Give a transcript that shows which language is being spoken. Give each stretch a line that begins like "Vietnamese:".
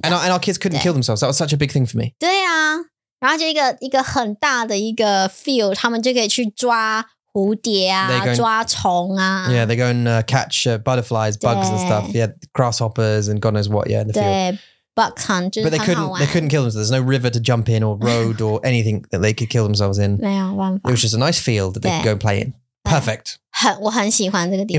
English: and our kids couldn't kill themselves. That was such a big thing for me.
Chinese: 对啊然后就一个很大的一个 field, 他们就可以去抓蝴蝶啊 抓虫啊
English: Yeah, they go and catch butterflies, bugs and stuff. Yeah, grasshoppers and God knows what, yeah, in the
Chinese: 对
English: field. Buck hunt,
Chinese: 就是
English: but they couldn't kill themselves. There's no river to jump in or road or anything that they could kill themselves in.
Chinese: 没有办法
English: It was just a nice field that they could go and play in. Perfect.
Chinese: 我很喜欢这个地方